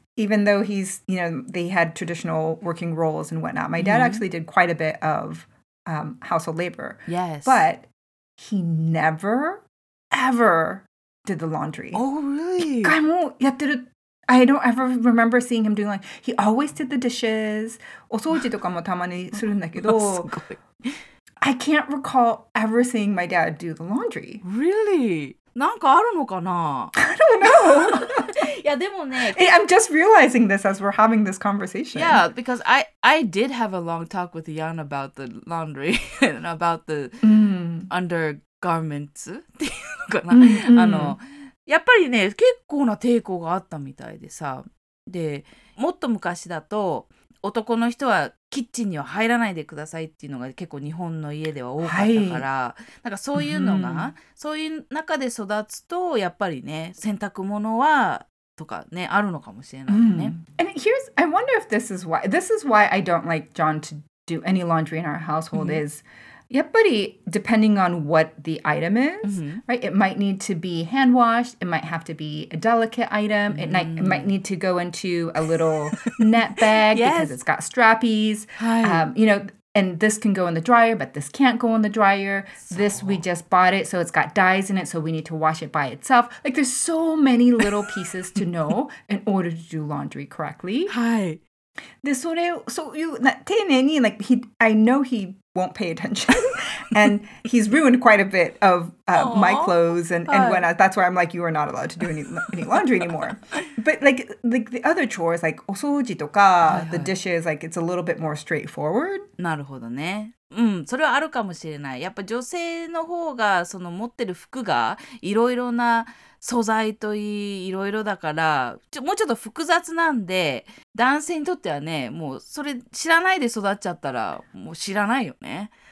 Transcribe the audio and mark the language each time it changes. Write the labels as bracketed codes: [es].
[en] Even though he's, you know, they had traditional working roles and whatnot, my dad actually did quite a bit of household labor. Yes. But he never, ever did the laundry. Oh, really? [ja] 一回もやってる。 [en] I don't ever remember seeing him doing laundry. He always did the dishes. [ja] お掃除とかもたまにするんだけど。すごい。 [en] I can't recall ever seeing my dad do the laundry. Really? [ja] なんかあるのかな? [en] I don't know. [ja] いやでもね、 [en] I'm just realizing this as we're having this conversation. Yeah, because I did have a long talk with Jan about the laundry and about the undergarments. [ja] っていうのかな? あの、やっぱりね、結構な抵抗があったみたいでさ。で、もっと昔だと、男の人はキッチンには入らないでくださいっていうのが結構日本の家では多かったから、はい、なんかそういうのが、そういう中で育つとやっぱりね洗濯物はとかねあるのかもしれないね。 [en] And here's, I wonder if this is why I don't like John to do any laundry in our household is [ja] やっぱり [en] depending on what the item is, right? It might need to be hand washed. It might have to be a delicate item. It might need to go into a little net bag because it's got strappies. You know, and this can go in the dryer, but this can't go in the dryer. This we just bought it, so it's got dyes in it, so we need to wash it by itself. Like there's so many little pieces to know in order to do laundry correctly. Hi. [ja] でそれをそういう丁寧に [en] like he I know he won't pay attention and he's ruined quite a bit of my clothes and when I, that's why I'm like you are not allowed to do any laundry anymore but like the other chores like [ja] お掃除とか、はいはい、 [en] the dishes like it's a little bit more straightforward [ja] なるほどね、うん、それはあるかもしれない。やっぱ女性の方がその持ってる服がいろいろな素材といい、いろいろだから、もうちょっと複雑なんで、男性にとってはね、もうそれ知らないで育っちゃったら、もう知らないよね。